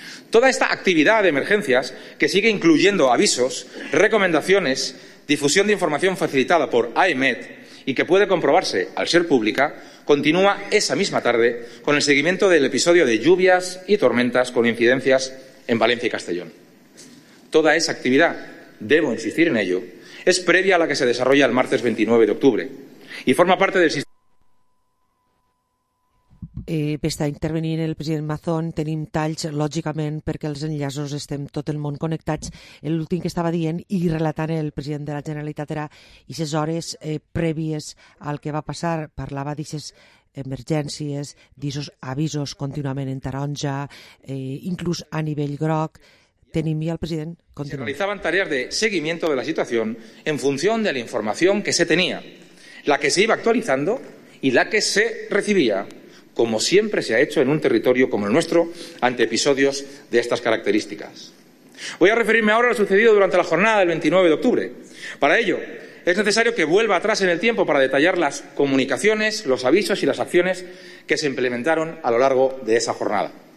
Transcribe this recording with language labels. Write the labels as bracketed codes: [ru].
[es] Toda esta actividad de emergencias, que sigue incluyendo avisos, recomendaciones, difusión de información facilitada por AEMET y que puede comprobarse al ser pública, continúa esa misma tarde con el seguimiento del episodio de lluvias y tormentas con incidencias en Valencia y Castellón. Toda esa actividad, debo insistir en ello, es previa a la que se desarrolla el martes 29 de octubre, y forma parte del sistema. [ca] Està intervenint el president Mazón, tenim talls, lògicament, perquè els enllaços estem tot el món connectats. L'últim que estava dient i relatant el president de la Generalitat era aquestes hores prèvies al que va passar, parlava d'aquestes emergències, d'aquestes avisos contínuament en taronja, inclús a nivell groc. Tenim ja el president. Continuem. [es] Se realizaban tareas de seguimiento de la situación en función de la información que se tenía, la que se iba actualizando y la que se recibía, como siempre se ha hecho en un territorio como el nuestro, ante episodios de estas características. Voy a referirme ahora a lo sucedido durante la jornada del 29 de octubre. Para ello, es necesario que vuelva atrás en el tiempo para detallar las comunicaciones, los avisos y las acciones que se implementaron a lo largo de esa jornada.